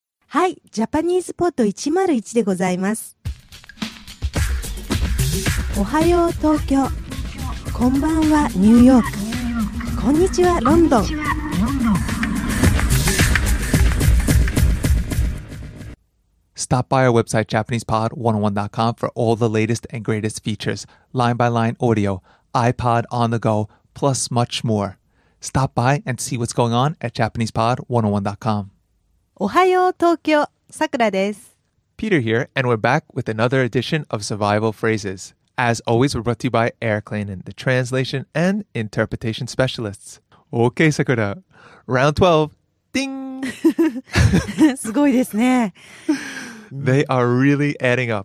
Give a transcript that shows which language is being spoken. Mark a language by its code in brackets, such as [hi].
[ja] はい、ジャパニーズポット101でございます。おはよう東京、こんばんはニューヨーク、こんにちはロンドン。 [en] Stop by our website JapanesePod101.com for all the latest and greatest features, line-by-line audio, iPod on the go, plus much more. Stop by and see what's going on at JapanesePod101.com. [ja] おはよう東京、さくらです。 [en] Peter here, and we're back with another edition of Survival Phrases. As always, we're brought to you by Eric Lanin, the translation and interpretation specialists. Okay, Sakura, round 12, ding! [ja] すごいですね。 [en] They are really adding up.